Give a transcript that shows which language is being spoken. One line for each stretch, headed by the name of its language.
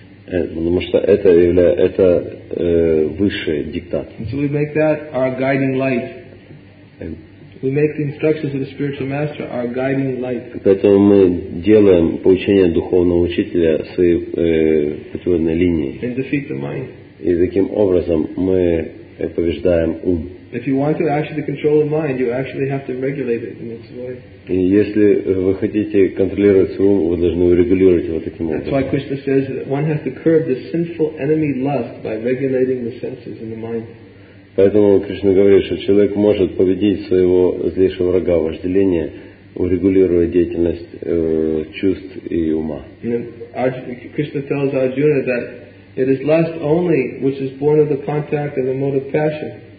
Russian: Потому что это высший диктат.
English: So we make that our guiding light. We make the instructions of the spiritual master our guiding light.
Russian: Поэтому мы делаем поучение духовного учителя своей путеводной линией.
English: And defeat the mind.
Russian: И таким образом мы побеждаем ум.
English: If you want to actually control the mind, you actually have to regulate it in its way.
Russian: И если вы хотите контролировать свой ум, вы должны урегулировать его таким образом.
English: That's why Krishna says that one has to curb the sinful enemy lust by regulating the senses in the mind.
Russian: Поэтому Кришна говорит, что человек может победить своего злейшего врага, вожделения, урегулируя деятельность чувств и ума.
English: Кришна tells Arjuna that it is lust only which is born of the contact and the mode of passion.